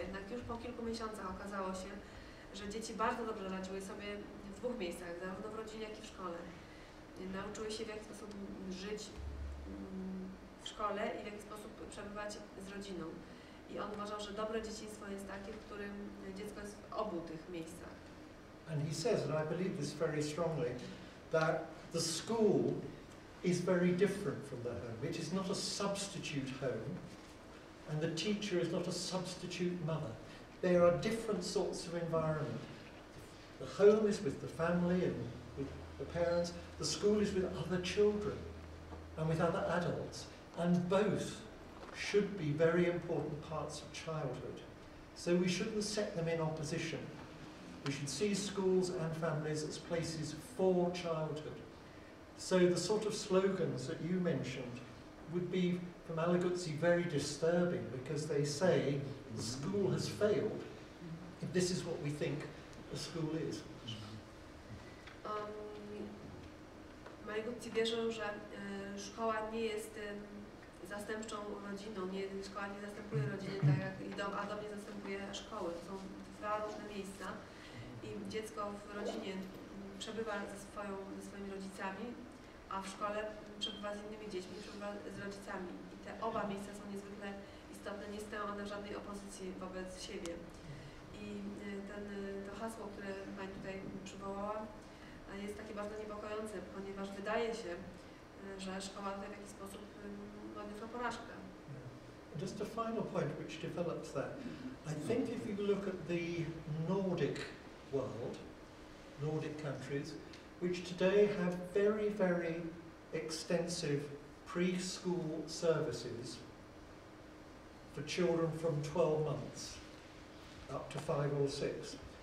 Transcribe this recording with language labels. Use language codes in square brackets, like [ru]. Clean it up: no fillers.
[pl] Jednak już po kilku miesiącach okazało się, że dzieci bardzo dobrze radziły sobie w dwóch miejscach, zarówno w rodzinie, jak i w szkole. Nauczyły się, w jaki sposób żyć w szkole i w jaki sposób przebywać z rodziną. I on uważał, że dobre dzieciństwo jest takie, w którym dziecko jest w obu tych miejscach. [en] And he says, and I believe this very strongly, that the school is very different from the home. It is not a substitute home, and the teacher is not a substitute mother. There are different sorts of environment. The home is with the family and with the parents. The school is with other children and with other adults. And both should be very important parts of childhood. So we shouldn't set them in opposition. We should see schools and families as places for childhood. So the sort of slogans that you mentioned would be, for Malagutsi, very disturbing, because they say the school has failed if this is what we think a school is. [pl] Malagutsi wierzył, że szkoła nie jest zastępczą rodziną, szkoła nie zastępuje rodziny, tak jak i dom, a dom nie zastępuje szkoły. To są dwa różne miejsca i dziecko w rodzinie przebywa ze swoimi rodzicami, a w szkole przebywa z innymi dziećmi, przebywa z rodzicami. I te oba miejsca są niezwykle istotne, nie stoją one w żadnej opozycji wobec siebie. I to hasło, które pani tutaj przywołała, jest takie bardzo niepokojące, ponieważ wydaje się, że szkoła w jakiś sposób odniosła porażkę. [en] Just a final point which develops that. I think if you look at the Nordic world, Nordic countries, which today have very, very extensive preschool services for children from 12 months up to 5 or 6.